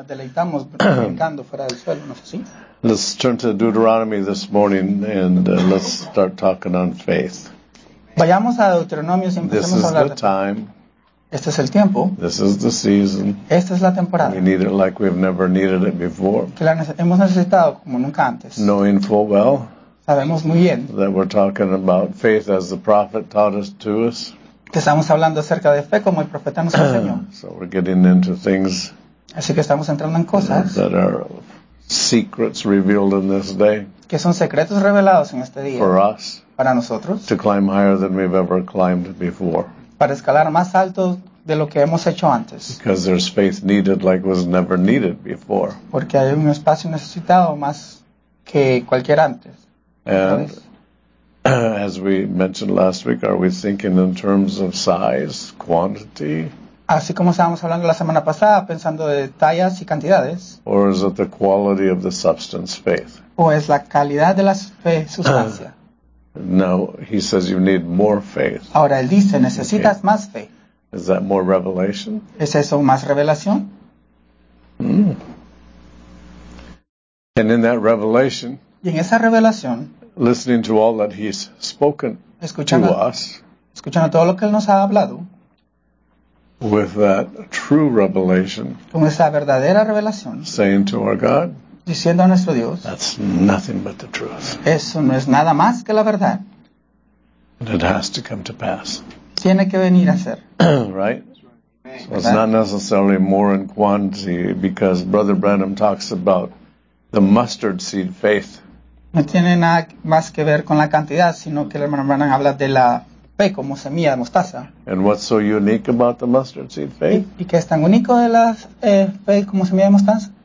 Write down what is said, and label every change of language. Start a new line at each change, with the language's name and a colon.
Spanish: deleitamos practicando fuera del suelo, ¿no es así?
English: Let's turn to Deuteronomy this morning and let's start talking on faith.
Spanish: Vayamos a Deuteronomio y empecemos a hablar.
English: This is the time.
Spanish: Este es el tiempo.
English: This is the season.
Spanish: Esta es la temporada.
English: We need it like we've never needed it before.
Spanish: Que la hemos necesitado como nunca antes.
English: Knowing full well.
Spanish: Sabemos muy bien.
English: That we're talking about faith as the prophet taught us to us.
Spanish: Que estamos hablando acerca de fe como el profeta nos enseñó.
English: So we're getting into things.
Spanish: Así que estamos entrando en cosas.
English: That are secrets revealed in this day.
Spanish: Que son secretos revelados en este día.
English: For us.
Spanish: Para nosotros.
English: To climb higher than we've ever climbed before.
Spanish: Para escalar más alto de lo que hemos hecho antes.
English: Because there's faith needed like was never needed before.
Spanish: Porque hay un espacio necesitado más que cualquier antes.
English: And as we mentioned last week, are we thinking in terms of size, quantity?
Spanish: Así como estábamos hablando la semana pasada, pensando de tallas y cantidades.
English: Or is it the quality of the substance faith?
Spanish: O es la calidad de la fe sustancia.
English: No, he says you need more faith.
Spanish: Ahora él dice, necesitas más fe.
English: Is that more revelation?
Spanish: ¿Es eso más revelación? Mm.
English: And in that revelation,
Spanish: y en esa revelación,
English: listening to all that he's spoken
Spanish: escuchando,
English: to us,
Spanish: escuchando todo lo que él nos ha hablado,
English: with that true revelation,
Spanish: con esa verdadera revelación,
English: saying to our God,
Spanish: diciendo a nuestro Dios,
English: that's nothing but the truth.
Spanish: Eso no es nada más que la verdad.
English: And it has to come to pass.
Spanish: Tiene que venir a ser.
English: Right? So it's not necessarily more in quantity, because Brother Branham talks about the mustard seed faith.
Spanish: No tiene nada más que ver con la cantidad, sino que el hermano Branham habla de la fe como semilla de mostaza.
English: And what's so unique about the mustard seed faith?
Spanish: ¿Y qué es tan único de la fe como semilla de mostaza?